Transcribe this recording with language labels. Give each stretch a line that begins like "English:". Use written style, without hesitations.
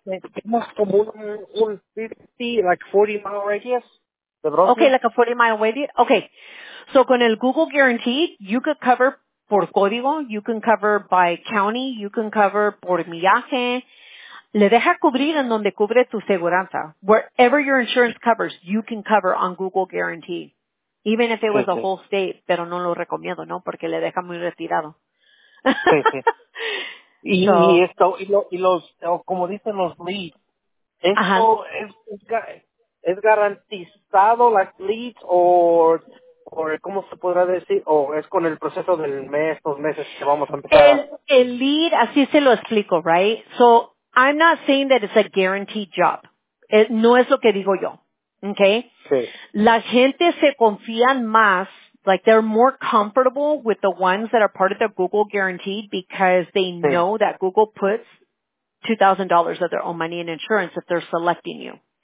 Spanish: Tenemos como un
English: 40-mile radius. Okay, like a 40-mile radius. Okay, so
Spanish: con el
English: Google Guaranteed, you could cover
Spanish: por código,
English: you can cover by county, you can cover
Spanish: por millaje. Le deja cubrir en donde cubre tu seguridad.
English: Wherever your insurance covers, you can cover on Google Guaranteed. Even if it was a whole state,
Spanish: pero no lo recomiendo, ¿no? Porque le deja muy retirado. Sí, sí. Y esto, como dicen los leads, ¿Es garantizado las leads o cómo se podrá decir? ¿O es con el proceso del mes, 2 meses que vamos a empezar? El lead, así se lo explico,
English: right? So, I'm not saying that it's a guaranteed job.
Spanish: No es lo que digo yo,
English: okay?
Spanish: Sí. La gente se confían más,
English: like they're more comfortable with the ones that are part of the Google guaranteed because they know that Google puts $2,000 of their own money in insurance if they're selecting you.